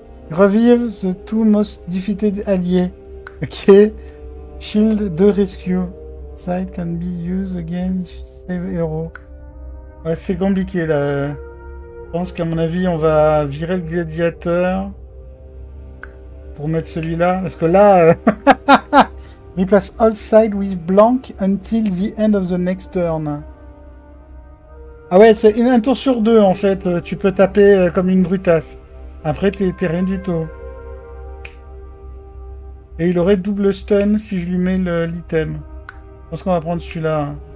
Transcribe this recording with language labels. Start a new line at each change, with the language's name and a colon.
English: Revive the two most defeated alliés. Ok. Shield 2 rescue. Sight can be used again if save hero.
French: Ouais, c'est compliqué là. Je pense qu'à mon avis, on va virer le gladiateur. Pour mettre celui-là. Parce que là.
English: Replace all side with blank until the end of the next turn.
French: Ah ouais, c'est un tour sur deux en fait. Tu peux taper comme une brutasse. Après, t'es rien du tout. Et il aurait double stun si je lui mets l'item. Je pense qu'on va prendre celui-là.